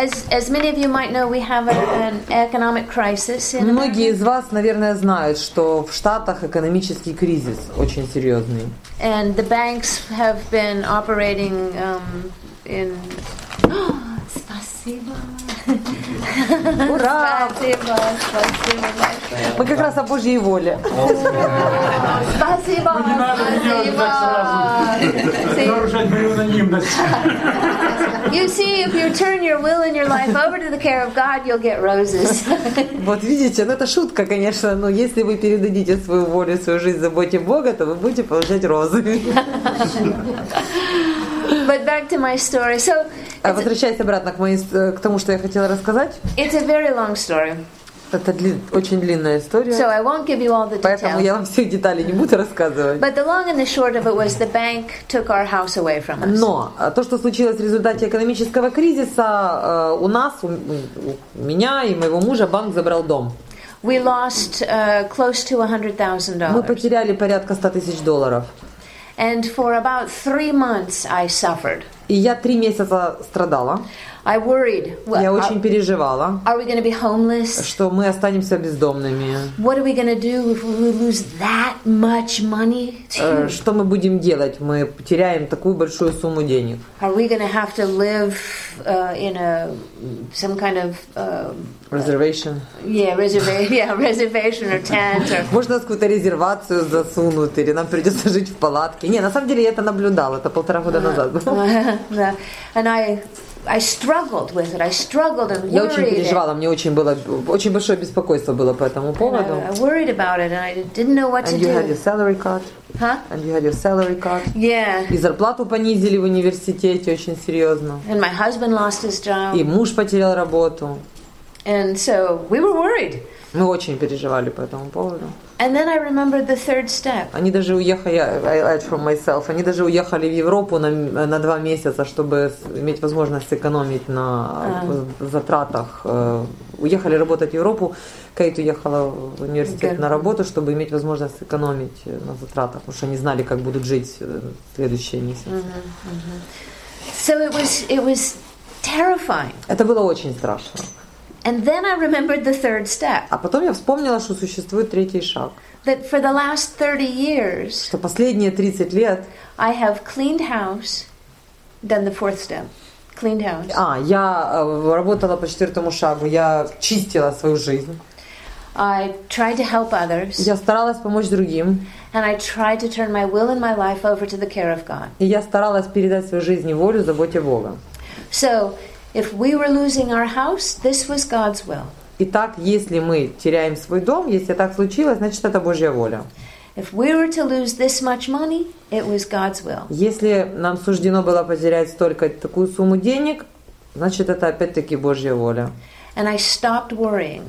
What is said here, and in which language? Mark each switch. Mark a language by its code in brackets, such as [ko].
[en] As many of you might know, we have an economic crisis in America. [ru] Многие из вас, наверное, знают, что в Штатах экономический кризис очень серьезный. [en] And the banks have been operating in. [ru] Спасибо. Ура! Спасибо, спасибо. Мы как раз о Божьей воле. Спасибо. Не надо делать так сразу. Нарушать мою анонимность. [en] You see, if you turn your will and your life over to the care of God, you'll get roses. [ru] Вот видите, ну это шутка, конечно, но если вы передадите свою волю, свою жизнь заботе Бога, то вы будете получать розы. [en] But back to my story. So, [ru] возвращаясь обратно к тому, что я хотела рассказать. [en] It's a very long story. [ru] Это очень длинная история. [en] So I won't give you all the details. [ru] Поэтому я вам все детали не буду рассказывать. [en] But the long and the short of it was the bank took our house away from us. [ru] Но то, что случилось в результате экономического кризиса, у нас, у меня и моего мужа банк забрал дом. [en] We lost close to $100,000. [ru] Мы потеряли порядка 100 тысяч долларов. [en] And for about 3 months I suffered. [ru] И я 3 месяца страдала. [en] I worried. [ru] Я очень переживала. [en] Are we going to be homeless? [ru] Что мы останемся бездомными? What are we going to do if we lose that much money? Что мы будем делать? Мы потеряем такую большую сумму денег. [en] Are we going to have to live in a some kind of reservation? Reservation or tent or. [ru] Можно какую-то резервацию засунуть или нам придется жить в палатке? Не, на самом деле я это наблюдала. Это 1.5 года назад. [en] I struggled with it. I struggled and worried. [ru] Я очень переживала. Мне очень было очень большое беспокойство было по этому поводу. [en] I worried about it and I didn't know what to do. And you had your salary cut. Huh? And you had your salary cut. Yeah. [ru] И зарплату понизили в университете очень серьезно. [en] And my husband lost his job. [ru] И муж потерял работу. [en] And so we were worried. [ru] Мы очень переживали по этому поводу. [en] And then I remembered the third step. [ru] Они даже уехали, [en] I from myself, [ru] они даже уехали в Европу на два месяца, чтобы иметь возможность экономить на затратах. Уехали работать в Европу. Кейт уехала в университет на работу, чтобы иметь возможность экономить на затратах, потому что они знали, как будут жить следующие месяцы. [en] So it was terrifying. [ru] Это было очень страшно. [en] And then I remembered the third step. [ru] А потом я вспомнила, что существует третий шаг. [en] That for the last 30 years. [ru] Что последние 30 лет. [en] I have cleaned house, done the fourth step. Cleaned house. [ru] А я работала по четвертому шагу. Я чистила свою жизнь. [en] I tried to help others. [ru] Я старалась помочь другим. [en] And I tried to turn my will and my life over to the care of God. [ru] И я старалась передать свою жизнь и волю заботе Бога. [en] So, if we were losing our house, this was God's will. [ru] Итак, если мы теряем свой дом, если так случилось, значит это Божья воля. [en] If we were to lose this much money, it was God's will. [ru] Если нам суждено было потерять столько такую сумму денег, значит это опять-таки Божья воля. [en] And I stopped worrying.